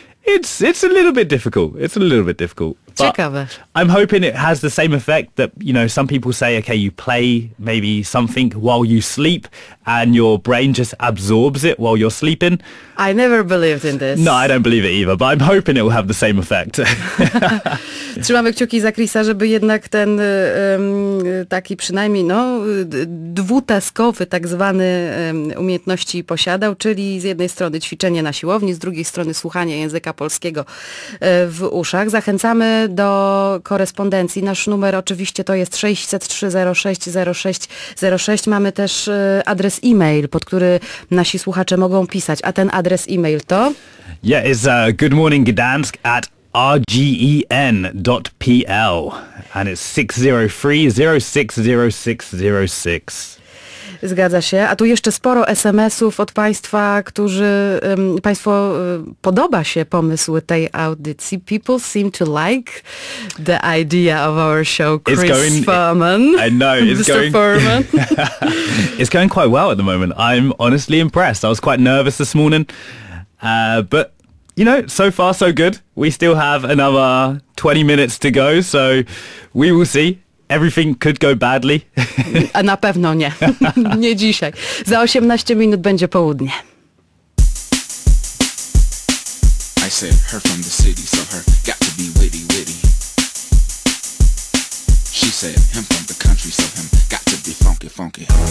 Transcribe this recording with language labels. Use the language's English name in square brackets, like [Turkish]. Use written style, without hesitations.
[English] It's a little bit difficult. It's a little bit difficult. But [Polish] ciekawe. [English] I'm hoping it has the same effect that, you know, some people say, okay, you play maybe something while you sleep and your brain just absorbs it while you're sleeping. I never believed in this. No, I don't believe it either, but I'm hoping it will have the same effect. [Polish] Trzymamy kciuki za Chrisa, żeby jednak ten taki przynajmniej no dwutaskowy tak zwany umiejętności posiadał, czyli z jednej strony ćwiczenie na siłowni, z drugiej strony słuchanie języka polskiego w uszach. Zachęcamy do korespondencji. Nasz numer oczywiście to jest 603-06-06-06. Mamy też adres e-mail, pod który nasi słuchacze mogą pisać. A ten adres e-mail to? [English] Yeah, it's goodmorninggdansk@rgen.pl and it's 603-06-06-06. [Polish] Zgadza się. A tu jeszcze sporo SMS-ów od Państwa, którzy... Państwo podoba się pomysł tej audycji. [English] People seem to like the idea of our show, Chris Furman. I know. It's Mr. Going, Furman. It's going quite well at the moment. I'm honestly impressed. I was quite nervous this morning. But, you know, so far so good. We still have another 20 minutes to go, so we will see. Everything could go badly. [Polish] A na pewno nie. Nie dzisiaj. Za 18 minut będzie południe. [English] I said her from the city, so her got to be witty witty. She said him from the country, so him got to be funky funky.